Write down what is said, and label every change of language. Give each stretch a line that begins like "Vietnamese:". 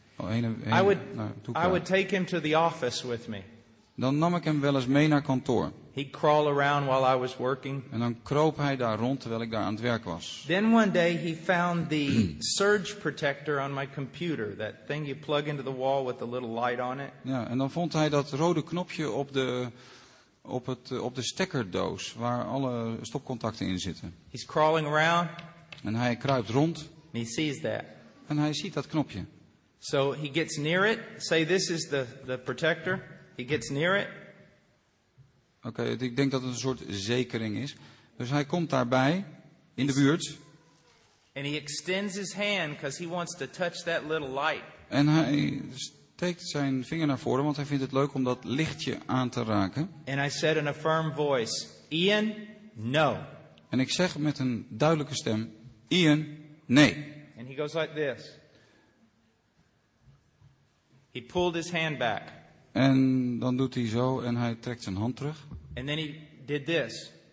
English: I would take him to the office with me.
Dutch: Dan nam ik hem wel eens mee naar kantoor.
English: He'd crawl around while I was working.
Dutch: En dan kroop hij daar rond terwijl ik daar aan het werk was.
English: Then one day he found the surge protector on my computer, that thing you plug into the wall with the little light on it.
Dutch: Ja, en dan vond hij dat rode knopje op de stekkerdoos waar alle stopcontacten in zitten.
English: He's crawling around.
Dutch: En hij kruipt rond.
English: And he sees that.
Dutch: En hij ziet dat knopje.
English: So he gets near it. Say this is the protector. He gets near it.
Dutch: Okay, ik denk dat het een soort zekering is. Dus hij komt daarbij in de buurt.
English: And he extends his hand because he wants to touch that little light.
Dutch: En hij steekt zijn vinger naar voren, want hij vindt het leuk om dat lichtje aan te raken.
English: And I said in a firm voice, Ian, no.
Dutch: En ik zeg met een duidelijke stem, Ian, nee.
English: And he goes like this. He pulled his hand back.
Dutch: En dan doet hij zo en hij trekt zijn hand terug.
English: And then he did this.